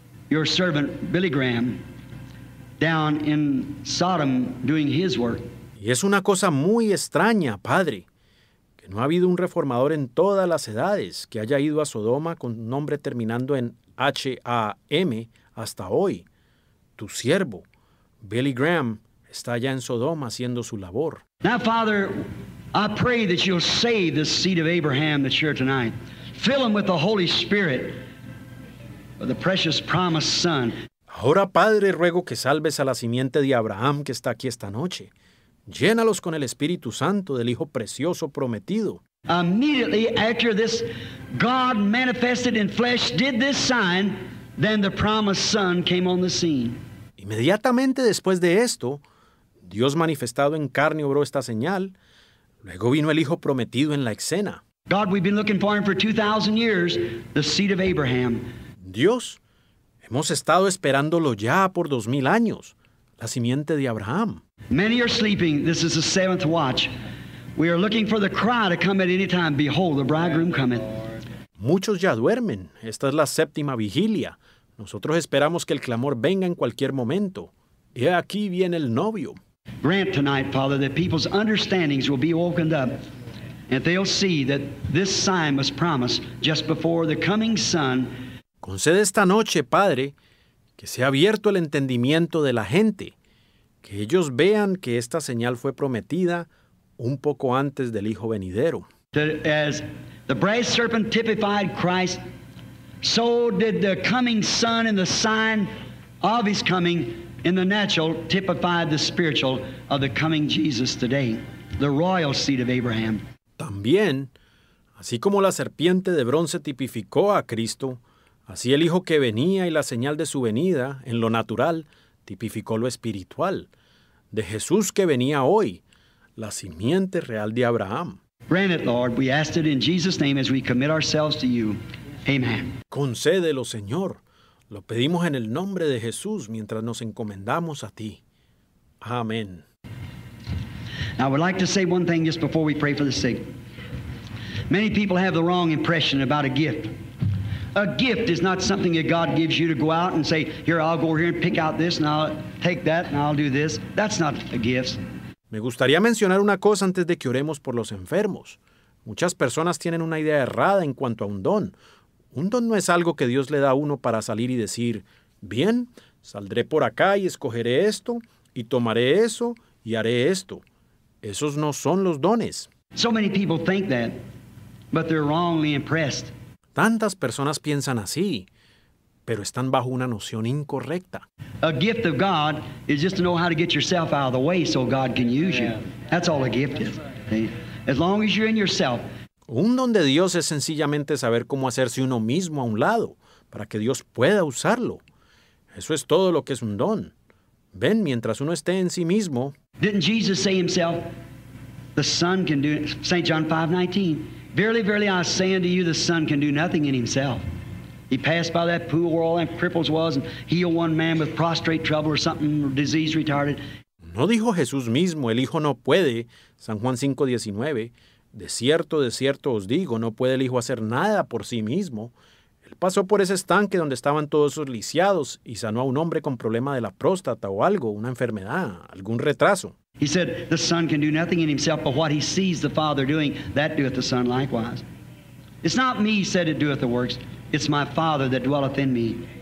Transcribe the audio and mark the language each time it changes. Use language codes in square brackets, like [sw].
[en] Your servant Billy Graham down in Sodom doing his work. [es] Y es una cosa muy extraña, Padre. No ha habido un reformador en todas las edades que haya ido a Sodoma con un nombre terminando en H-A-M hasta hoy. Tu siervo, Billy Graham, está allá en Sodoma haciendo su labor. [en] Now, Father, I pray that you'll save the seed of Abraham that's here tonight. Fill him with the Holy Spirit, with the precious promised Son. [es] Ahora, Padre, ruego que salves a la simiente de Abraham que está aquí esta noche. Llénalos con el Espíritu Santo del Hijo precioso prometido. [en] Immediately after this God manifested in flesh did this sign, then the promised Son came on the scene. [es] Inmediatamente después de esto, Dios manifestado en carne obró esta señal. Luego vino el Hijo prometido en la escena. [en] God, we've been looking for him for 2,000 years, the seed of Abraham. [es] Dios, hemos estado esperándolo ya por 2,000 años, la simiente de Abraham. [en] Many are sleeping. This is the seventh watch. We are looking for the cry to come at any time. Behold, the bridegroom cometh. [es] Muchos ya duermen. Esta es la séptima vigilia. Nosotros esperamos que el clamor venga en cualquier momento. Y aquí viene el novio. [en] Grant tonight, Father, that people's understandings will be opened up, and they'll see that this sign was promised just before the coming sun. [es] Concede esta noche, Padre, que sea abierto el entendimiento de la gente, que ellos vean que esta señal fue prometida un poco antes del Hijo venidero. [en] As the brass serpent typified Christ, so did the coming sun and the sign of his coming in the natural typify the spiritual of the coming Jesus today, the royal seed of Abraham. [es] También, así como la serpiente de bronce tipificó a Cristo, así el Hijo que venía y la señal de su venida, en lo natural, tipificó lo espiritual, de Jesús que venía hoy, la simiente real de Abraham. [en] Grant it, Lord, we ask it in Jesus' name as we commit ourselves to you. Amen. [es] Concédelo, Señor. Lo pedimos en el nombre de Jesús mientras nos encomendamos a ti. Amén. [en] Now, I would like to say one thing just before we pray for the sick. Many people have the wrong impression about a gift. A gift is not something that God gives you to go out and say, here, I'll go over here and pick out this, and I'll take that, and I'll do this. That's not a gift. [es] Me gustaría mencionar una cosa antes de que oremos por los enfermos. Muchas personas tienen una idea errada en cuanto a un don. Un don no es algo que Dios le da a uno para salir y decir, bien, saldré por acá y escogeré esto, y tomaré eso, y haré esto. Esos no son los dones. [en] So many people think that, but they're wrongly impressed. [es] Tantas personas piensan así, pero están bajo una noción incorrecta. [en] A gift of God is just to know how to get yourself out of the way so God can use you. That's all a gift is. As long as you're in yourself. [es] Un don de Dios es sencillamente saber cómo hacerse uno mismo a un lado para que Dios pueda usarlo. Eso es todo lo que es un don. Ven, mientras uno esté en sí mismo. [en] Didn't Jesus say himself, the Son can do it? St. John 5:19. Verily, verily, I say unto you, the Son can do nothing in himself. He passed by that pool where all them cripples was and healed one man with prostrate trouble or something, or disease retarded. [es] No dijo Jesús mismo, el Hijo no puede, San Juan 5:19. De cierto os digo, no puede el Hijo hacer nada por sí mismo. Él pasó por ese estanque donde estaban todos esos lisiados y sanó a un hombre con problema de la próstata o algo, una enfermedad, algún retraso. [en] He said, the Son can do nothing in himself, but what he sees the Father doing, that doeth the Son likewise. It's not me, he said, it doeth the works. It's my Father that dwelleth in me.